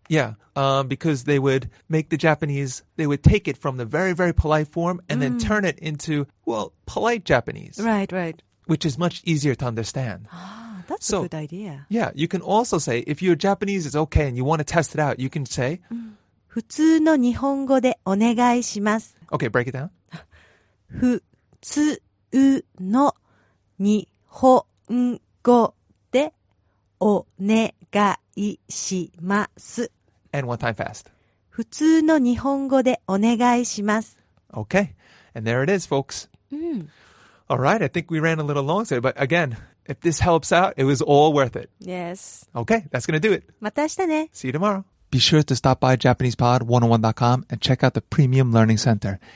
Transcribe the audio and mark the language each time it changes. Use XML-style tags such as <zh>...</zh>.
<en>Yeah, because they would make the Japanese, they would take it from the very, very polite form and then turn it into, well, polite Japanese. Right, right. Which is much easier to understand. That's a good idea. Yeah, you can also say, if your Japanese is okay and you want to test it out, you can say,</en> <ja>普通の日本語でお願いします。</ja> <en>Okay, break it down.</en> <ja>普通の日本語でお願いします。</ja> <en>And one time fast.</en> <ja>普通の日本語でお願いします。</ja> <en>Okay, and there it is, folks. All right, I think we ran a little long today, but again, if this helps out, it was all worth it. Yes. Okay, that's going to do it.</en> <ja>また明日ね。</ja> <en>See you tomorrow. Be sure to stop by JapanesePod101.com and check out the Premium Learning Center.</en>